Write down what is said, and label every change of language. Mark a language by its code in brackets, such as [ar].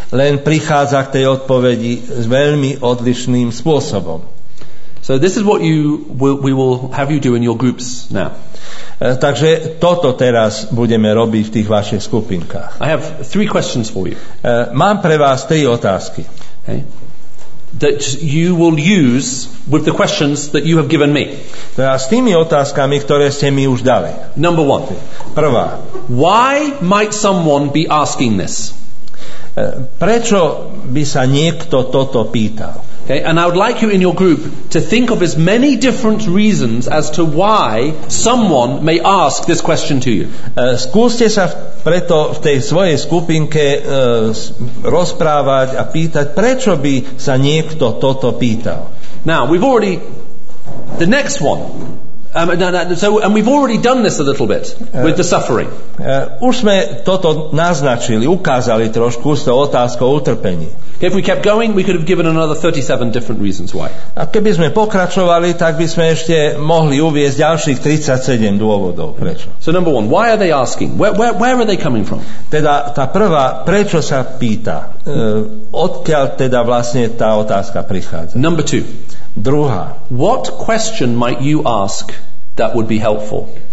[sk] Len prichádza k tej odpovedi s veľmi odlišným spôsobom. [en] So this is what we will have you do in your groups now. [sk] Takže toto teraz budeme robiť v tých vašich skupinkách. [en] I have three questions for you. [sk] Mám pre vás tri otázky. [en] Okay. That you will use with the questions that you have given me. [sk] Teda s tými otázkami, ktoré ste mi už dali. [en] Number one. [sk] Prvá. [en] Why might someone be asking this? [sk] Prečo by sa niekto toto pýtal? [en] Okay, and I would like you in your group to think of as many different reasons as to why someone may ask this question to you. [sk] Skúste sa preto v tej svojej skupinke rozprávať a pýtať, prečo by sa niekto toto pýtal. [en] Now, we've already... The next one... And we've already done this a little bit with the suffering. [sk] Už sme toto naznačili, ukázali trošku s tou otázkou utrpení. [en] If we kept going, we could have given another 37 different reasons why. [sk] A keby sme pokračovali, tak by sme ešte mohli uviesť ďalších 37 dôvodov, prečo. [en] So number one, why are they asking? Where are they coming from? [sk] Teda tá prvá, prečo sa pýta? Odkiaľ teda vlastne tá otázka prichádza? [en] Number two. [sk] Druhá. [en] What question might you ask that would be helpful?